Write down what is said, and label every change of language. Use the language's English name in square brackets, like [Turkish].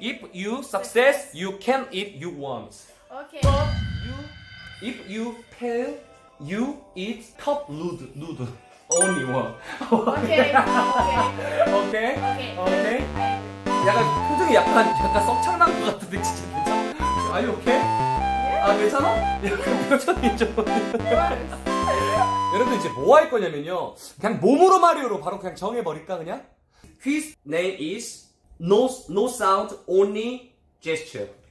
[English] If you success, you can eat you want. Okay. But if you fail, you eat top noodle. Only one. Okay. Okay. Okay. Okay. [Korean] 약간 표정이 약간 썩창난 것 같은데 진짜 괜찮아? [English] Are you okay? Yeah. [Korean] 아 괜찮아? 약간 표정이 좀 여러분 이제 뭐 할 거냐면요, 그냥 몸으로 마리오로 바로 그냥 정해버릴까 그냥? [English] His name is no sound only gesture.